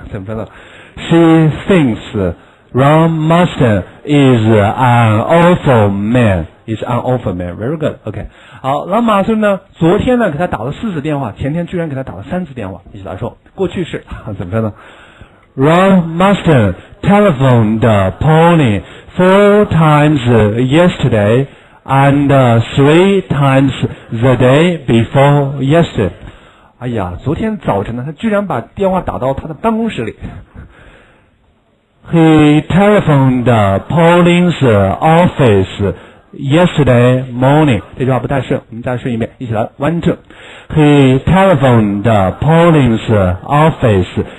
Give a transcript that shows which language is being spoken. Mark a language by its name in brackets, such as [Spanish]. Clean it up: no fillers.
[Chinese] 怎么说呢 [English] ？She thinks Ron Marston is an awful man. Very good. OK. [Chinese] 好，朗马斯顿呢，昨天呢给他打了四次电话，前天居然给他打了三次电话。一起来说，过去式怎么说呢？ [English] Ron Marston telephoned Pony four times yesterday and three times the day before yesterday. [Chinese] 哎呀，昨天早晨呢，他居然把电话打到他的办公室里。 [English] He telephoned Pony's office yesterday morning. [Chinese] 这句话不太顺，我们再顺一遍，一起来 ， one two. [English] He telephoned Pony's office.